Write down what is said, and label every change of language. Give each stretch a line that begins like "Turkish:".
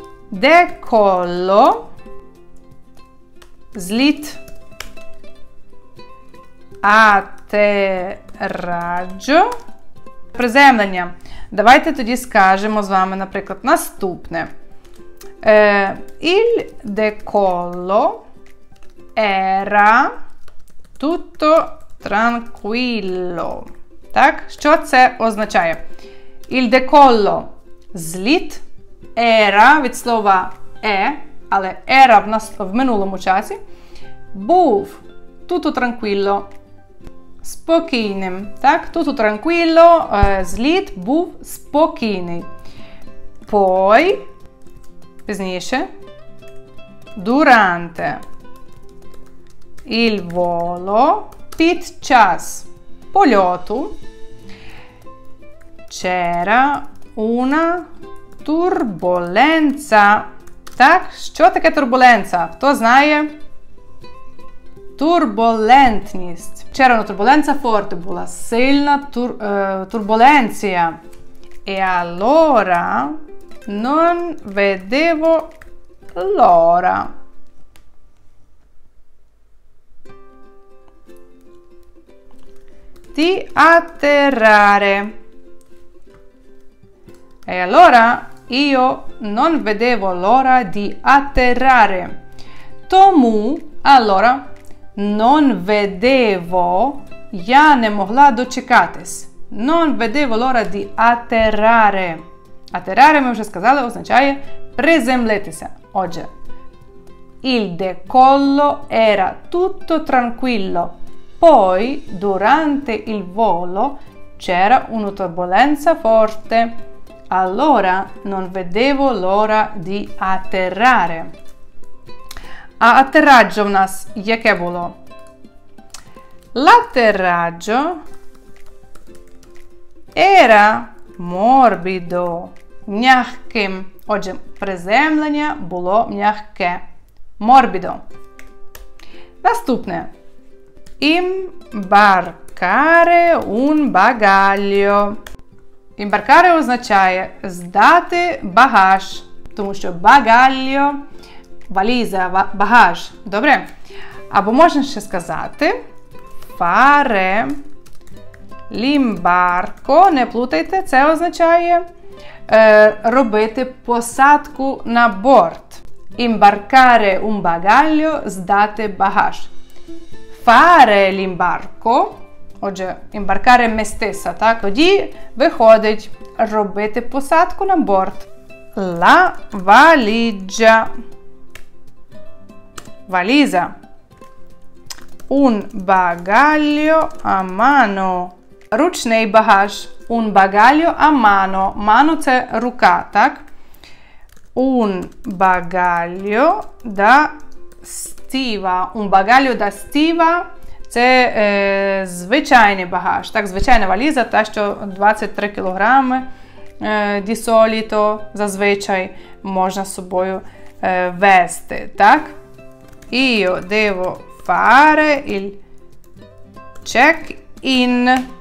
Ukrainian: Деколо – зліт, атераджо – приземлення. Давайте тоді скажемо з вами, наприклад, наступне.
Italian: Il decollo era tutto tranquillo.
Ukrainian: Так? Що це означає? Il decollo – зліт, era – від слова «е», але era в минулому часі, був
Italian: tutto tranquillo.
Ukrainian: Спокійним, так?
Italian: Tutto tranquillo,
Ukrainian: зліт був спокійний.
Italian: Poi, пізніше, durante, il volo,
Ukrainian: під час польоту,
Italian: c'era una turbolenza.
Ukrainian: Так, що таке турбуленца? Хто знає? Турбулентність. Вчора на турбуленця форте була сильна турбуленція.
Italian: E allora non vedevo l'ora. Di atterrare. E allora io non vedevo l'ora di atterrare.
Ukrainian: Тому, allora,
Italian: non vedevo,
Ukrainian: я не могла дочекатись.
Italian: Non vedevo l'ora di atterrare.
Ukrainian: Atterrare, ми вже сказали, означає приземлитися.
Italian: Отже, il decollo era tutto tranquillo. Poi, durante il volo, c'era una turbolenza forte. Allora, non vedevo l'ora di atterrare.
Ukrainian: А атераджо в нас яке було?
Italian: L'atterraggio era morbido, м'яким.
Ukrainian: Отже, приземлення було м'яке, morbido.
Italian: Наступне. Imbarcare un bagaglio.
Ukrainian: Imbarcare означає здати багаж, тому що bagaglio, валіза, багаж. Добре? Або можна ще сказати
Italian: fare l'imbarco,
Ukrainian: не плутайте, це означає робити посадку на борт.
Italian: Imbarcare un bagaglio, здати багаж. Fare l'imbarco, отже, imbarcare me stessa, так?
Ukrainian: Тоді виходить робити посадку на борт.
Italian: La valigia. Валіза. Un bagaglio a mano.
Ukrainian: Ручний багаж.
Italian: Un bagaglio a mano.
Ukrainian: Mano – це рука, так?
Italian: Un bagaglio da stiva. Un bagaglio da stiva –
Ukrainian: це звичайний багаж. Так, звичайна валіза, та, що 23 кілограми
Italian: di solito,
Ukrainian: зазвичай, можна з собою вести, так?
Italian: Io devo fare il check-in.